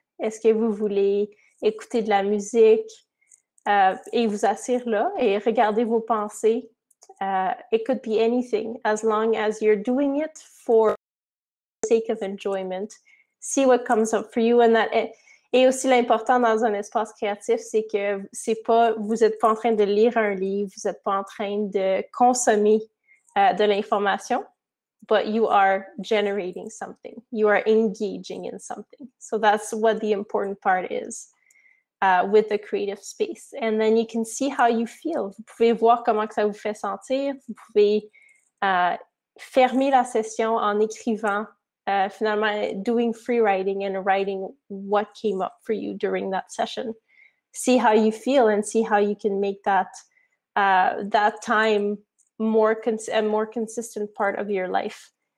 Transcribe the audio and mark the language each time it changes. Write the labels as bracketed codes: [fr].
[fr] Est-ce que vous voulez écouter de la musique? Et vous asseoir là et regarder vos pensées? [en] It could be anything, as long as you're doing it for the sake of enjoyment. See what comes up for you and that... [fr] Et aussi, l'important dans un espace créatif, c'est que c'est pas, vous n'êtes pas en train de lire un livre, vous n'êtes pas en train de consommer de l'information, [en] but you are generating something. You are engaging in something. So that's what the important part is with the creative space. And then you can see how you feel. [fr] Vous pouvez voir comment que ça vous fait sentir. Vous pouvez fermer la session en écrivant. Finalement, [en] doing free writing and writing what came up for you during that session. See how you feel and see how you can make that that time more consistent part of your life.